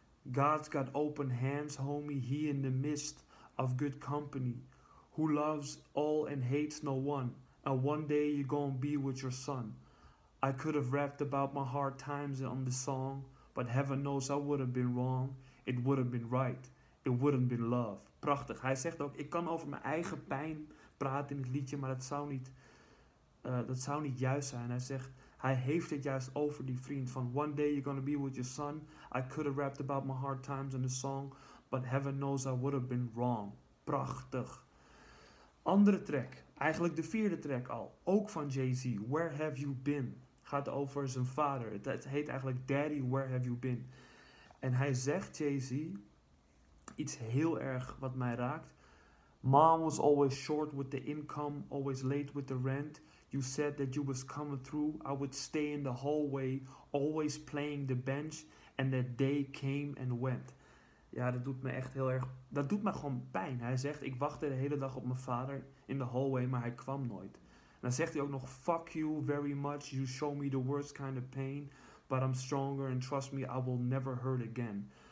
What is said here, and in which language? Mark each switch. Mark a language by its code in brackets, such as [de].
[en] God's got open hands, homie, he in the midst of good company, who loves all and hates no one, and one day you're gonna be with your son. I could have rapped about my hard times on the song, but heaven knows I would have been wrong, it would have been right, it wouldn't been love. [nl] Prachtig. Hij zegt ook, ik kan over mijn eigen pijn praten in het liedje, maar dat zou niet juist zijn. Hij zegt, hij heeft het juist over die vriend van [en] one day you're gonna be with your son. I could have rapped about my hard times in the song, but heaven knows I would have been wrong. [nl] Prachtig. Andere track, eigenlijk de vierde track al, ook van Jay-Z, Where Have You Been? Gaat over zijn vader. Het heet eigenlijk Daddy, Where Have You Been? En hij zegt, Jay-Z, iets heel erg wat mij raakt. [en] Mom was always short with the income, always late with the rent. You said that you was coming through. I would stay in the hallway, always playing the bench. And that day came and went. [nl] Ja, dat doet me echt heel erg... Dat doet me gewoon pijn. Hij zegt, ik wachtte de hele dag op mijn vader in de hallway, maar hij kwam nooit. En dan zegt hij ook nog, [en] fuck you very much. You show me the worst kind of pain. But I'm stronger and trust me, I will never hurt again.